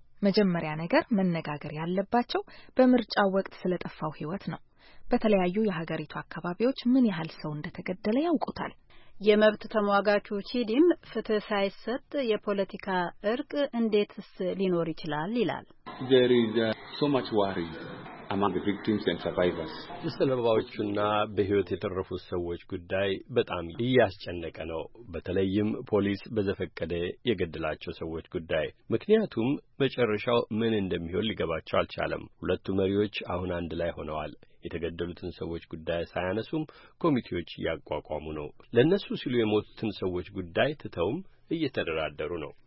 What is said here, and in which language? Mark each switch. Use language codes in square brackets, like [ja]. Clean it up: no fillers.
[am] መጀመሪያ ነገር መነጋገር ያለባቸው በምርጫው ወቅት ስለጠፋው ህይወት ነው። በተለያዩ የሀገሪቱ አካባቢዎች ምን ያህል ሰው እንደተገደለ ያውቁታል። የመብት ተሟጋቹ ቺዲም ፍትህ ሳይሰጥ የፖለቲካ እርቅ እንዴትስ ሊኖር ይችላል ይላል። [en] There is so much worry among the victims and survivors. [am] የሰለባዎቹና በህይወት የተረፉት ሰዎች ጉዳይ በጣም እያስጨነቀ ነው። በተለይም ፖሊስ በዘፈቀደ የገደላቸው ሰዎች ጉዳይ። ምክንያቱም መጨረሻው ምን እንደሚሆን ሊገባቸው አልቻለም። ሁለቱ መሪዎች አሁን አንድ ላይ ሆነዋል። የተገደሉትን ሰዎች ጉዳይ ሳያነሱም ኮሚቴዎች ያቋቋሙ ነው። ለነሱ ሲሉ የሞቱትን ሰዎች ጉዳይ ተተውም እየተደራደሩ ነው።